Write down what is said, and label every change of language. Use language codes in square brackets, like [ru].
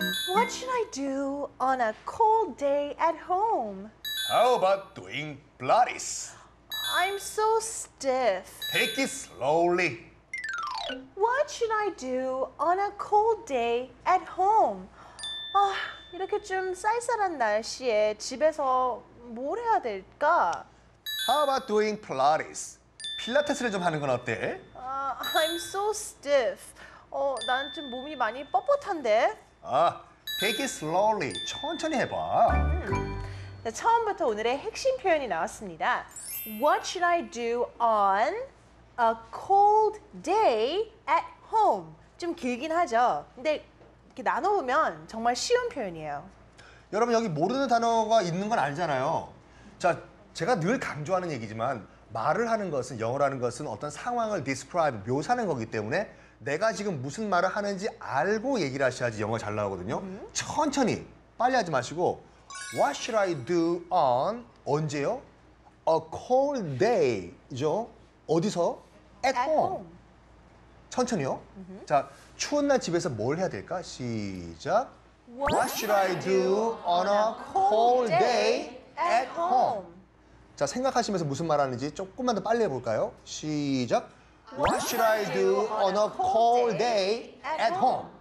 [en] What should I do on a cold day at home? How about doing Pilates? I'm so stiff. Take it slowly. What should I do on a cold day at home? [ko] 이렇게 좀 쌀쌀한 날씨에 집에서 뭘 해야 될까? [en] How about doing Pilates? [ko] 필라테스를 좀 하는 건 어때? [en] I'm so stiff. [ko] 난 좀 몸이 많이 뻣뻣한데? [en] Take it slowly. [ko] 천천히 해봐. 자, 처음부터 오늘의 핵심 표현이 나왔습니다. [en] What should I do on a cold day at home? [ko] 좀 길긴 하죠. 근데 이렇게 나눠보면 정말 쉬운 표현이에요. 여러분 여기 모르는 단어가 있는 건 알잖아요. 자, 제가 늘 강조하는 얘기지만 말을 하는 것은, 영어라는 것은 어떤 상황을 describe, 묘사하는 거기 때문에 내가 지금 무슨 말을 하는지 알고 얘기를 하셔야지 영어가 잘 나오거든요. 천천히, 빨리 하지 마시고 [en] What should I do on, [ko] 언제요? [en] A cold day죠. [ko] 어디서? [en] At home. [ko] 천천히요. 자, 추운 날 집에서 뭘 해야 될까? 시작. [en] What should I do on a cold day at home? [ko] 자, 생각하시면서 무슨 말 하는지 조금만 더 빨리 해볼까요? 시작. [en] What should I do on a cold day at home?